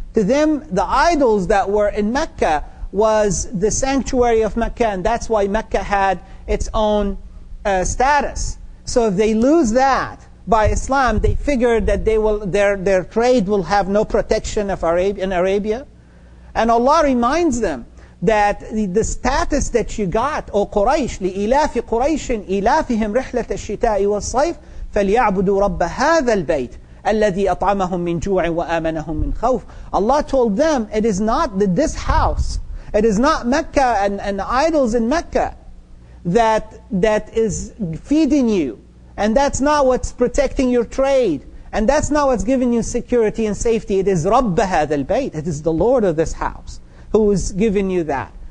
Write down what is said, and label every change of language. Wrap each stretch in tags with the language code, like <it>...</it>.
<en>To them, the idols that were in Mecca was the sanctuary of Mecca, and that's why Mecca had its own status. So if they lose that by Islam, they figured that their trade will have no protection in Arabia. And Allah reminds them that the status that you got, O Quraysh,</en> <ar>لِإِلَافِ قُرَيْشٍ إِلَافِهِمْ رِحْلَةَ الشِّتَاءِ وَالصَّيْفِ فَلْيَعْبُدُوا رَبَّ هَذَا الْبَيْتِ الَّذِي أَطْعَمَهُمْ مِنْ جُوعٍ وَآمَنَهُمْ مِنْ خَوْفٍ.</ar> <en>Allah told them, it is not this house, it is not Mecca and the idols in Mecca that is feeding you, and that's not what's protecting your trade, and that's not what's giving you security and safety. It is</en> <ar>رَبَّ هَذَا الْبَيْتِ,</ar> <en>it is the Lord of this house who is giving you that.</en>